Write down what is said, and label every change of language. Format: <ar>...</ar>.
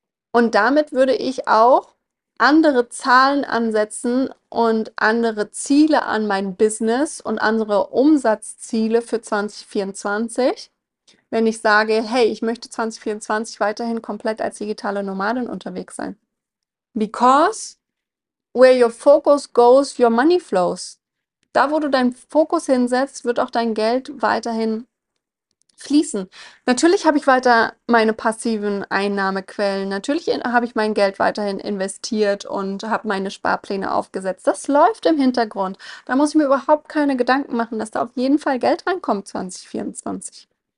<de>Und damit würde ich auch andere Zahlen ansetzen und andere Ziele an mein Business und andere Umsatzziele für 2024. Wenn ich sage, hey, ich möchte 2024 weiterhin komplett als digitale Nomadin unterwegs sein.</de> <en>Because where your focus goes, your money flows.</en> <de>Da, wo du deinen Fokus hinsetzt, wird auch dein Geld weiterhin fließen. Natürlich habe ich weiter meine passiven Einnahmequellen. Natürlich habe ich mein Geld weiterhin investiert und habe meine Sparpläne aufgesetzt. Das läuft im Hintergrund. Da muss ich mir überhaupt keine Gedanken machen, dass da auf jeden Fall Geld reinkommt 2024.</de>